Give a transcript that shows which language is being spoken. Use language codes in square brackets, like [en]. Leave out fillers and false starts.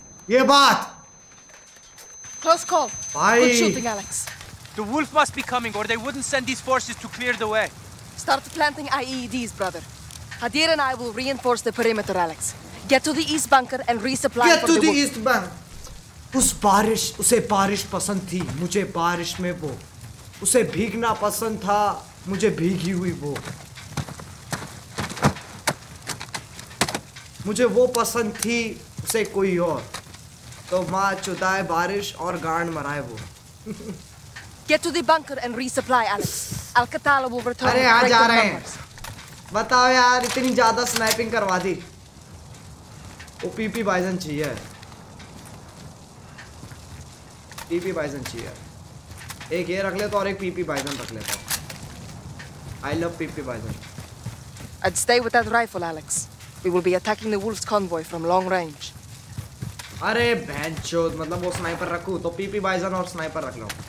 [hi] ये बात। [en] Close call. [hi] भाई। [en] Good shooting, Alex. The wolf must be coming, or they wouldn't send these forces to clear the way. Start planting IEDs, brother. Adir and I will reinforce the perimeter, Alex. Get to the east bunker and resupply. Get to the east bunker. [hi] उस बारिश, उसे बारिश पसंद थी, मुझे बारिश में वो. उसे भीगना पसंद था, मुझे भीगी हुई वो. मुझे वो पसंद थी, उसे कोई और. तो माँ चुदाए बारिश और गांड मराए वो. [en] Get to the bunker and resupply, Alex. Alcatala will return. [hi] अरे आ जा रहे हैं. बताओ यार, इतनी ज़्यादा स्नाइपिंग करवा दी. ओपीपी बाइजन चाहिए. पीपी बाइजन चाहिए. एक ये रख ले तो और एक पीपी बाइजन रख लेता हूँ. [en] I love PP Bizon. I'd stay with that rifle, Alex. We will be attacking the wolf's convoy from long range. [hi] अरे बैंचोद, मतलब वो स्नाइपर रखूँ तो पीपी बाइजन और स्नाइपर रख लो.